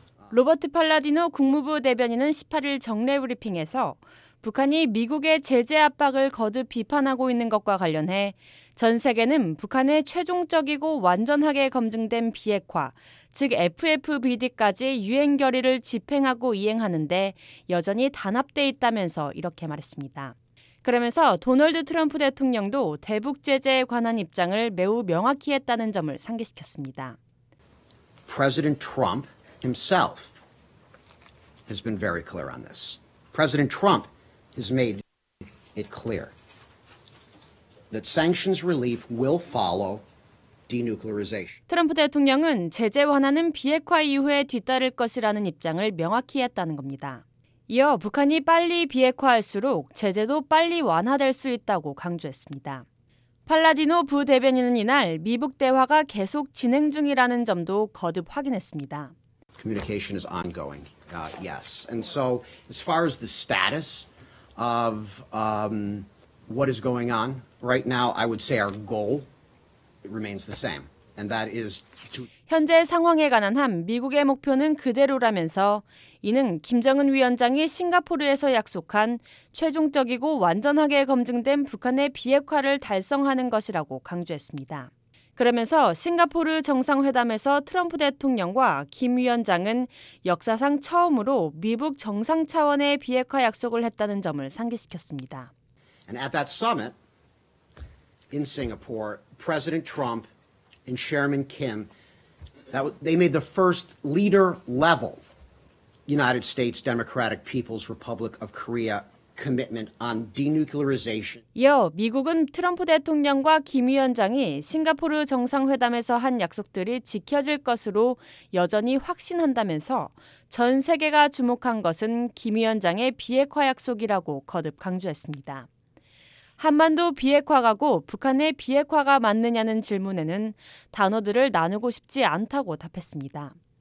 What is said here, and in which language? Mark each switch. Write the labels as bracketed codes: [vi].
[ko] 로버트 팔라디노 국무부 대변인은 18일 정례 브리핑에서 북한이 미국의 제재 압박을 거듭 비판하고 있는 것과 관련해 전 세계는 북한의 최종적이고 완전하게 검증된 비핵화, 즉 FFBD까지 유엔 결의를 집행하고 이행하는데 여전히 단합돼 있다면서 이렇게 말했습니다. 그러면서 도널드 트럼프 대통령도 대북 제재에 관한 입장을 매우 명확히 했다는 점을 상기시켰습니다. [en] President Trump himself has been very clear on this. President Trump has made it clear that sanctions relief will follow denuclearization. [ko] 트럼프 대통령은 제재 완화는 비핵화 이후에 뒤따를 것이라는 입장을 명확히 했다는 겁니다. 이어 북한이 빨리 비핵화할수록 제재도 빨리 완화될 수 있다고 강조했습니다. 팔라디노 부대변인은 이날 미북 대화가 계속 진행 중이라는 점도 거듭 확인했습니다. [en] Communication is ongoing. Yes. And so as far as the status of what is going on right now, I would say our goal remains the same. And that is to [ko] 현재 상황에 관한 한 미국의 목표는 그대로라면서 이는 김정은 위원장이 싱가포르에서 약속한 최종적이고 완전하게 검증된 북한의 비핵화를 달성하는 것이라고 강조했습니다. 그러면서 싱가포르 정상회담에서 트럼프 대통령과 김 위원장은 역사상 처음으로 미북 정상 차원의 비핵화 약속을 했다는 점을 상기시켰습니다. [en] And at that summit in Singapore, President Trump and Chairman Kim, they made the first leader level United States Democratic People's Republic of Korea commitment on denuclearization. [ko] 이어 미국은 트럼프 대통령과 김 위원장이 싱가포르 정상회담에서 한 약속들이 지켜질 것으로 여전히 확신한다면서 전 세계가 주목한 것은 김 위원장의 비핵화 약속이라고 거듭 강조했습니다. 한반도 비핵화가고 북한의 비핵화가 맞느냐는 질문에는 단어들을 나누고 싶지 않다고 답했습니다.